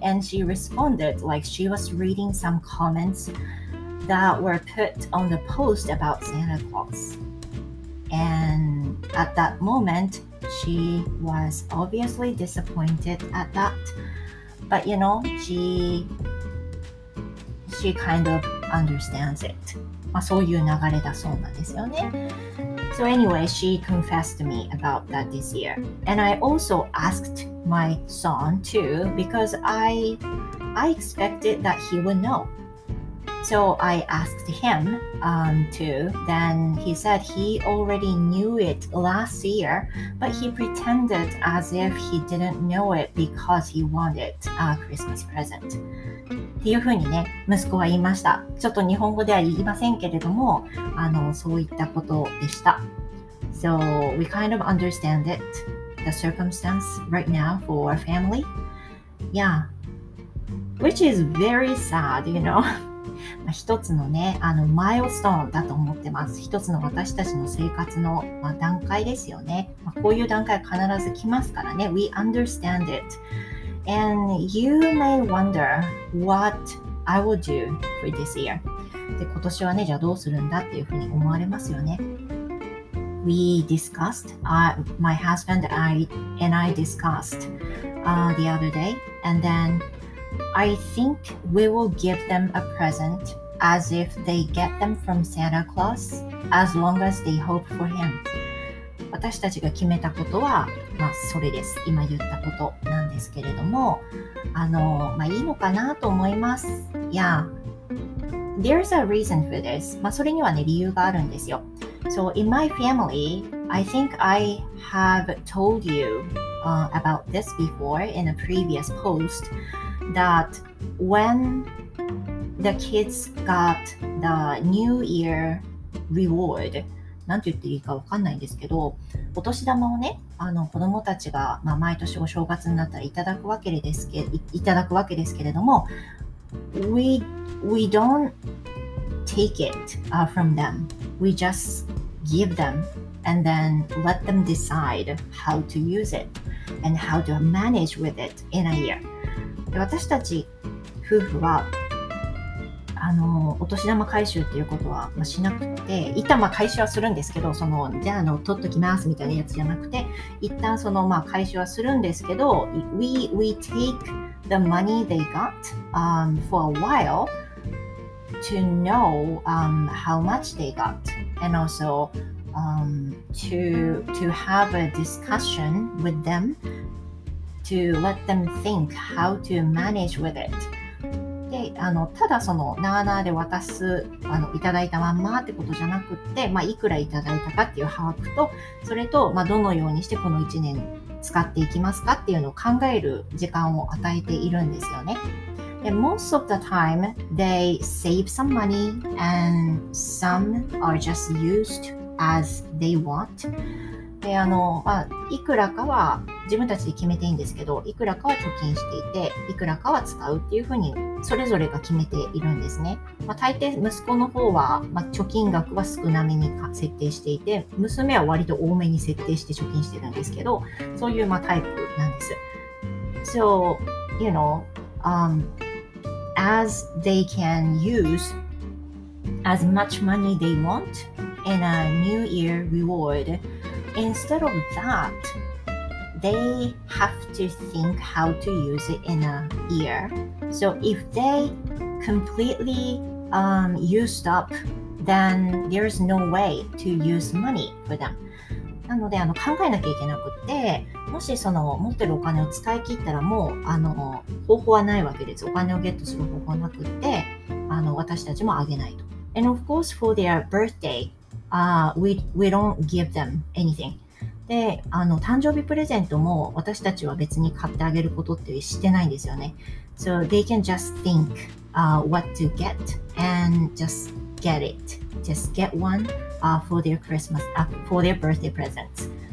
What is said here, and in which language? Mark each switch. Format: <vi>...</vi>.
<en>And she responded like she was reading some comments that were put on the post about Santa Claus. And at that moment, she was obviously disappointed at that. But you know, she kind of understands it.</en> <ja>まあそういう流れだそうなんですよね。</ja> <en>So anyway, she confessed to me about that this year. And I also asked my son too, because I expected that he would know. So I asked him too. Then he said he already knew it last year, but he pretended as if he didn't know it because he wanted a Christmas present.</en> <ja>っていうふうにね、息子は言いました。ちょっと日本語では言いませんけれども、そういったことでした。</ja> <en>So we kind of understand it, the circumstance right now for our family. Yeah. Which is very sad, you know.</en> <ja>一つのね、マイルストーンだと思ってます。一つの私たちの生活の、段階ですよね。こういう段階必ず来ますからね。</ja> <en>We understand it. And you may wonder what I will do for this year.</en> <ja>で、今年はね、じゃあどうするんだっていうふうに思われますよね。</ja> <en>We discussed, my husband and I discussed, the other day, and then... I think we will give them a present as if they get them from Santa Claus as long as they hope for him.</en> <ja>私たちが決めたことは、それです。今言ったことなんですけれども、いいのかなと思います。</ja> <en>Yeah. There's a reason for this.</en> <ja>それにはね、理由があるんですよ。</ja> <en>So in my family, I think I have told you about this before in a previous post, that when the kids got the New Year reward,</en> <ja>なんて言っていいかわかんないんですけど、お年玉をね、子供たちが、まあ、毎年お正月になったらいただくわけですけれども、</ja> <en>we don't take it from them. We just give them and then let them decide how to use it and how to manage with it in a year.</en> <ja>で、私たち夫婦は、お年玉回収っていうことは、しなくて、一旦回収はするんですけど、じゃあ取っときますみたいなやつじゃなくて、一旦回収はするんですけど、</ja> <en>we take the money they got for a while to know how much they got and also to have a discussion with them to let them think how to manage with it.</en> <ja>で、ただそのなーなーで渡す、いただいたまんまってことじゃなくって、いくらいただいたかっていう把握と、それと、どのようにしてこの1年使っていきますかっていうのを考える時間を与えているんですよね。</ja> <en>で、most of the time they save some money and some are just used as they want。</en> <ja>で、いくらかは自分たちで決めていいんですけど、いくらかは貯金していて、いくらかは使うっていうふうにそれぞれが決めているんですね。大抵息子の方は、貯金額は少なめに設定していて、娘は割と多めに設定して貯金してるんですけど、そういう、タイプなんです。</ja> <en>So, you know, as they can use as much money they want in a New Year reward,Instead of that, they have to think how to use it in a year. So if they completely used up, then there's no way to use money for them.</en> <ja>なので考えなきゃいけなくって、もし持ってるお金を使い切ったらもう方法はないわけです。お金をゲットする方法なくって、私たちもあげないと。</ja> <en>And of course, for their birthday,we don't give them anything.</en> <ja>で、誕生日プレゼントも私たちは別に買ってあげることってしてないんですよね。</ja> <en>So they can just think what to get and just get it. Just get one for their Christmas, for their birthday presents.</en>